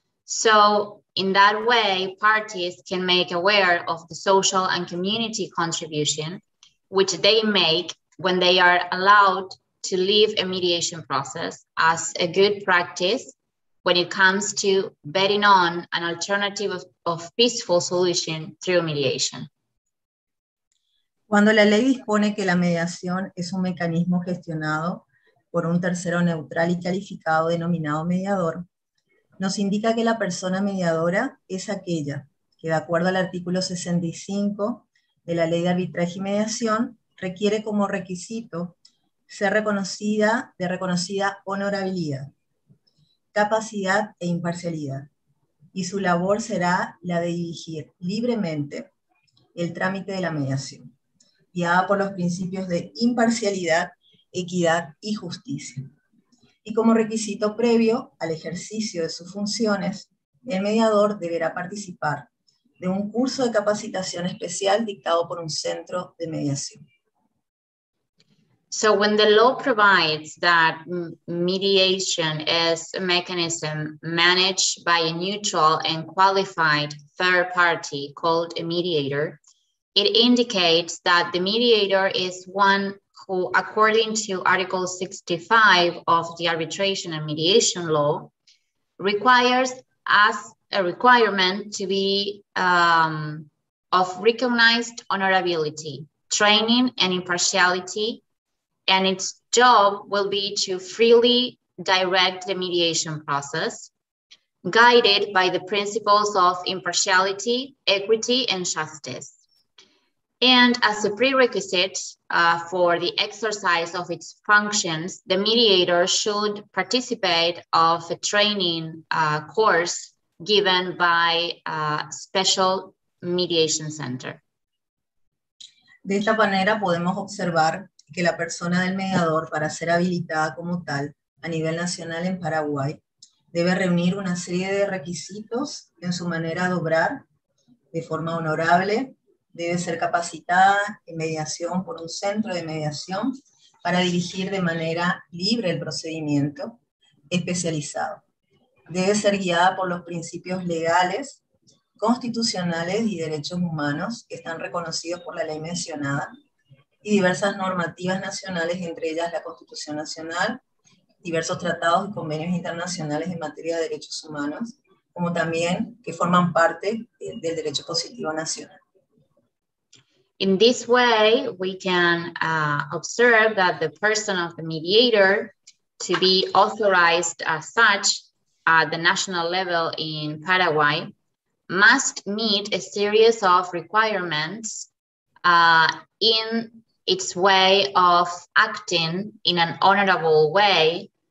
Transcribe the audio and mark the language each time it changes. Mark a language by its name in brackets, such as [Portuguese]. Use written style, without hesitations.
[English] So in that way, parties can make aware of the social and community contribution which they make when they are allowed to leave a mediation process as a good practice when it comes to betting on an alternative of peaceful solution through mediation. [Spanish] Cuando la ley dispone que la mediación es un mecanismo gestionado por un tercero neutral y calificado denominado mediador, nos indica que la persona mediadora es aquella que, de acuerdo al artículo 65 de la Ley de Arbitraje y Mediación, requiere como requisito ser reconocida honorabilidad, capacidad e imparcialidad, y su labor será la de dirigir libremente el trámite de la mediación, guiada por los principios de imparcialidad, equidad y justicia. Y como requisito previo al ejercicio de sus funciones, el mediador deberá participar de un curso de capacitación especial dictado por un centro de mediación. [English] So when the law provides that mediation is a mechanism managed by a neutral and qualified third party called a mediator, it indicates that the mediator is one who, according to Article 65 of the Arbitration and Mediation Law, requires as a requirement to be of recognized honorability, training, and impartiality, and its job will be to freely direct the mediation process, guided by the principles of impartiality, equity, and justice. And as a prerequisite for the exercise of its functions, the mediator should participate of a training course given by a special mediation center. [Spanish] De esta manera podemos observar que la persona del mediador, para ser habilitada como tal a nivel nacional en Paraguay, debe reunir una serie de requisitos en su manera de obrar de forma honorable, debe ser capacitada en mediación por un centro de mediación para dirigir de manera libre el procedimiento especializado. Debe ser guiada por los principios legales, constitucionales y derechos humanos que están reconocidos por la ley mencionada y diversas normativas nacionales, entre ellas la Constitución Nacional, diversos tratados y convenios internacionales en materia de derechos humanos, como también que forman parte del derecho positivo nacional. [English] In this way, we can observe that the person of the mediator to be authorized as such at the national level in Paraguay must meet a series of requirements in its way of acting in an honorable way.